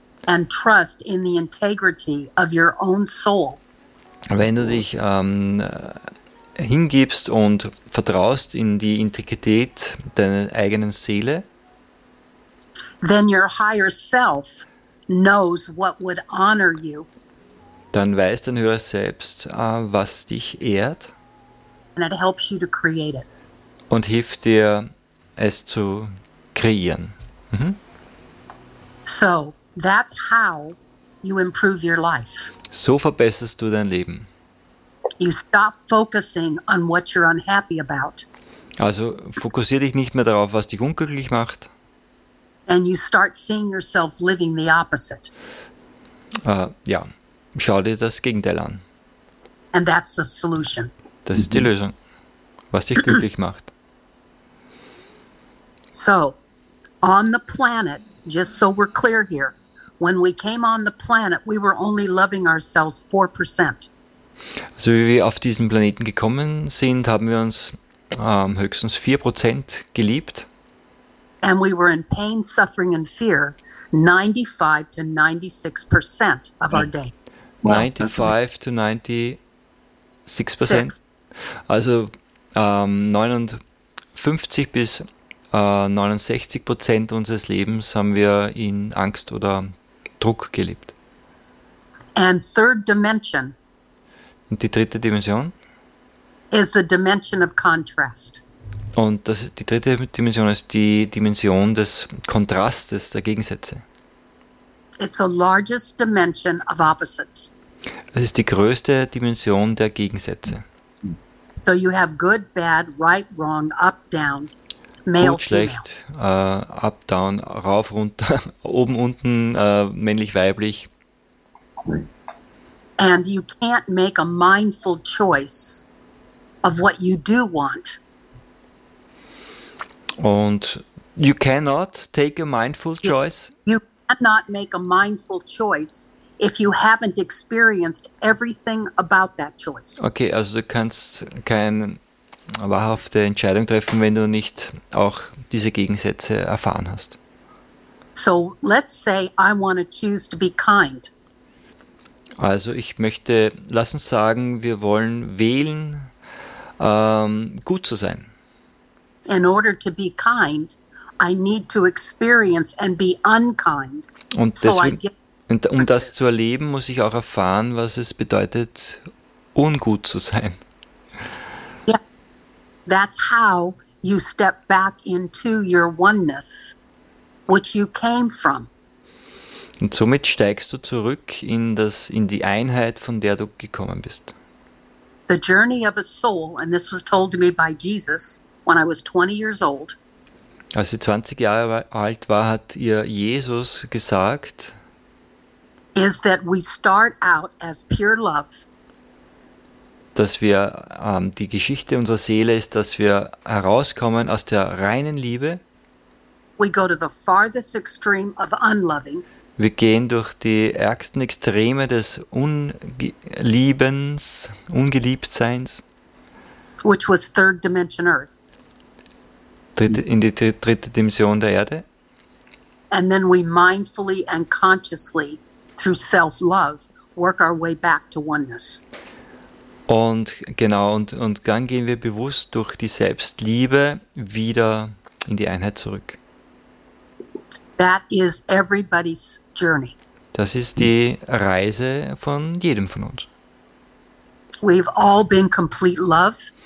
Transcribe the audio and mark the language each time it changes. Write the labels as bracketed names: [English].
[English] and trust in the integrity of your own soul. [German] Wenn du dich hingibst und vertraust in die Integrität deiner eigenen Seele, [English] then your higher self knows what would honor you. [German] Dann weiß dein höheres Selbst, was dich ehrt. [English] And it helps you to create it. [German] Und hilft dir, es zu kreieren. Mhm. [English] So, that's how you improve your life. [German] So verbesserst du dein Leben. [English] You stop focusing on what you're unhappy about. [German] Also fokussiere dich nicht mehr darauf, was dich unglücklich macht. [English] And you start seeing yourself living the opposite. [German] Ja, schau dir das Gegenteil an. [English] And that's the solution. [German] Das ist die Lösung, was dich glücklich macht. [English] So, on the planet, just so we're clear here, when we came on the planet, we were only loving ourselves 4%. [German] Also wie wir auf diesen Planeten gekommen sind, haben wir uns höchstens 4% geliebt. [English] And we were in pain, suffering and fear 95 to 96% of our day. 95 to 96%. [German] Also 59 bis 69% unseres Lebens haben wir in Angst oder Druck gelebt. [English] And third dimension. [German] Und die dritte Dimension [English] is the dimension of contrast. [German] Und das, die dritte Dimension ist die Dimension des Kontrastes, der Gegensätze. [English] It's the largest dimension of opposites. [German] Es ist die größte Dimension der Gegensätze. [English] So you have good, bad, right, wrong, up, down, male, [German] gut, schlecht, [English] up, down, [German] rauf, runter, oben, unten, männlich, weiblich. [English] And you can't make a mindful choice of what you do want. And you cannot take a mindful choice. You cannot make a mindful choice if you haven't experienced everything about that choice. [German] Okay, also du kannst keine wahrhafte Entscheidung treffen, wenn du nicht auch diese Gegensätze erfahren hast. [English] So let's say I want to choose to be kind. [German] Also ich möchte, lass uns sagen, wir wollen wählen, gut zu sein. [English] In order to be kind, I need to experience and be unkind. [German] Und deswegen, um das zu erleben, muss ich auch erfahren, was es bedeutet, ungut zu sein. [English] Yeah. That's how you step back into your oneness, which you came from. [German] Und somit steigst du zurück in das, in die Einheit, von der du gekommen bist. [English] The journey of a soul, and this was told to me by Jesus when I was 20 years old. [German] Als sie 20 Jahre alt war, hat ihr Jesus gesagt, [English] is that we start out as pure love. [German] Dass wir, die Geschichte unserer Seele ist, dass wir herauskommen aus der reinen Liebe. [English] We go to the farthest extreme of unloving. [German] Wir gehen durch die ärgsten Extreme des Unliebens, Ungeliebtseins. [English] Which was third dimension Earth. [German] In die dritte Dimension der Erde. [English] And then we mindfully and consciously through self-love work our way back to oneness. [German] Und genau, und dann gehen wir bewusst durch die Selbstliebe wieder in die Einheit zurück. [English] That is everybody's journey. [German] Das ist die Reise von jedem von uns. [English] We've all been complete love.